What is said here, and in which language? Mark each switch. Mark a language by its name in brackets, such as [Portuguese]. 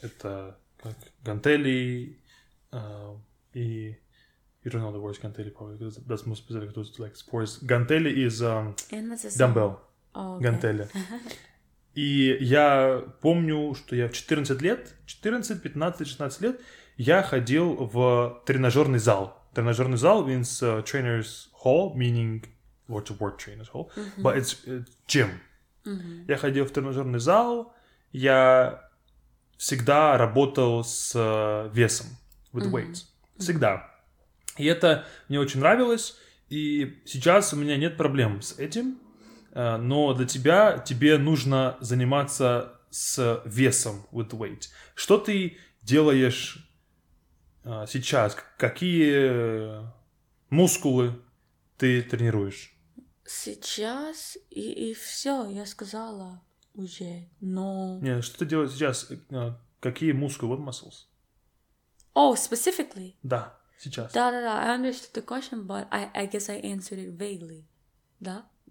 [Russian] Это как гантели. [English] You don't know the word гантели probably. Because that's more specific to like sports. Гантели is dumbbell. Oh, okay. [Russian] Гантели. И я помню, что я в 14 лет, 14, 15, 16 лет, я ходил в тренажерный зал. Тренажерный зал [English] means trainer's hall, meaning what's the word trainer's hall, but it's gym. [Russian] Я ходил в тренажерный зал, я всегда работал с весом, [English] with weights, [Russian] всегда. И это мне очень нравилось, и сейчас у меня нет проблем с этим. Но для тебя, тебе нужно заниматься с весом, [English] with weight. [Russian] Что ты делаешь сейчас? Какие мускулы ты тренируешь? Сейчас и все, я сказала уже, но... Нет, что ты делаешь сейчас? Какие мускулы, [English] what muscles? Oh, specifically? [Russian] Да, сейчас. Да-да-да, [English] I understood the question, but I guess I answered it vaguely, [Russian] да?